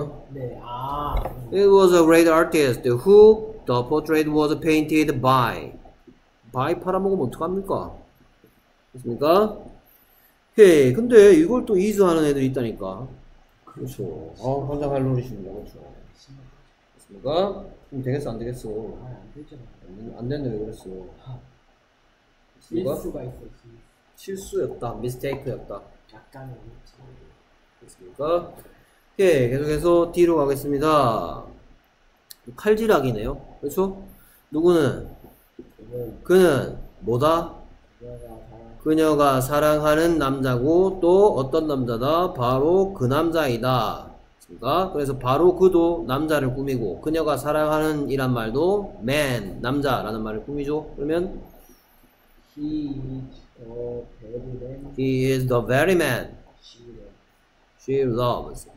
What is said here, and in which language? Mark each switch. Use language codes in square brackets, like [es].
[en] It was a great artist who the portrait was painted by. [ko] by 팔아먹으면 어떡합니까? 됐습니까? 헤이, 근데 이걸 또 이수하는 애들이 있다니까. 그렇죠. 아, 환장할 노릇입니다. 그렇죠. 됐습니까? 그럼 되겠어, 안 되겠어? 안 되잖아. 안 됐네, 왜 그랬어? 됐습니까? 실수가 있었어. 실수였다, 미스테이크였다. 약간의 됐습니까? 예, 계속해서 뒤로 가겠습니다. 칼질하기네요. 그렇죠? 누구는? 그는 뭐다? 그녀가 사랑하는 남자고 또 어떤 남자다? 바로 그 남자이다. 그러니까 그래서 바로 그도 남자를 꾸미고 그녀가 사랑하는 이란 말도 man, 남자라는 말을 꾸미죠. 그러면 [en] he is the very man she loves.